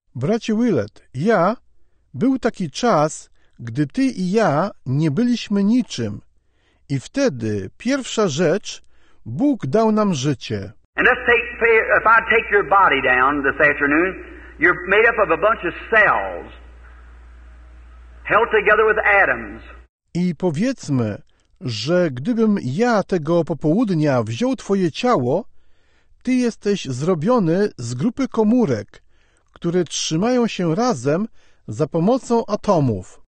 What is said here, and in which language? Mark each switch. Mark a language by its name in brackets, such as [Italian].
[Polish] Bracie Willett, ja, był taki czas, gdy ty i ja nie byliśmy niczym. I wtedy pierwsza rzecz, Bóg dał nam życie. [English] And let's take, if I take your body down this afternoon, you're made up of a bunch of cells held together with atoms. [Polish] I powiedzmy, że gdybym ja tego popołudnia wziął twoje ciało, ty jesteś zrobiony z grupy komórek, które trzymają się razem za pomocą atomów.